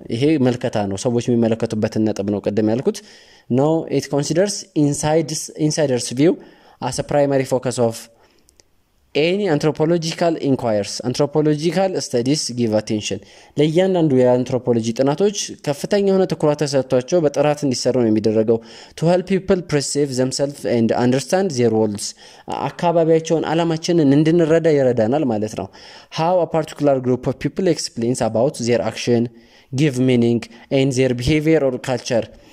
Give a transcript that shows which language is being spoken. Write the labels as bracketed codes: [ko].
[am] ይሄ መልከታ ነው፣ ሰዎች የሚመለከቱበት ነጥብ ነው ቀደም ያልኩት ነው። [en] it considers insiders view as a primary focus of any anthropological inquiries, anthropological studies give attention. [am] ለእያንዳንዱ የአንትሮፖሎጂ ጥናቶች ከፍተኛ የሆነ ትኩረት ተሰጥቷቸው በጥራት እንዲሰሩ ነው የሚደረገው. [en] To help people perceive themselves and understand their roles. [am] አካባቢያቸውን ዓላማቸውን እንድንረዳ ይረዳናል ማለት ነው. [en] How a particular group of people explains about their action, give meaning, and their behavior or culture.